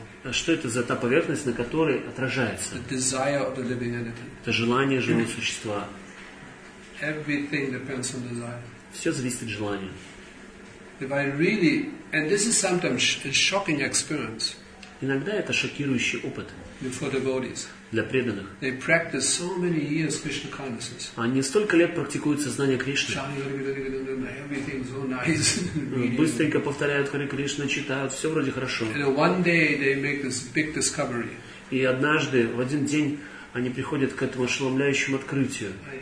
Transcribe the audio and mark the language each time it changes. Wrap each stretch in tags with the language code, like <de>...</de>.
<ru>Что это за та поверхность, на которой отражается?</ru> <en>The desire of the living entity.</en> <ru>Это желание живого существа.</ru> <en>Everything depends on desire.</en> <ru>Все зависит от желания.</ru> <en>If I really, and this is sometimes a shocking experience.</en> <ru>Иногда это шокирующий опыт.</ru> <en>For devotees.</en> <ru>Для преданных.</ru> <en>They practice so many years Krishna consciousness.</en> <ru>Они столько лет практикуют сознание Кришны.</ru> <en>Everything's so nice.</en> <ru>Быстренько повторяют Хари Кришна, читают, все вроде хорошо.</ru> <en>And one day they make this big discovery.</en> <ru>И однажды, в один день, они приходят к этому ошеломляющему открытию.</ru>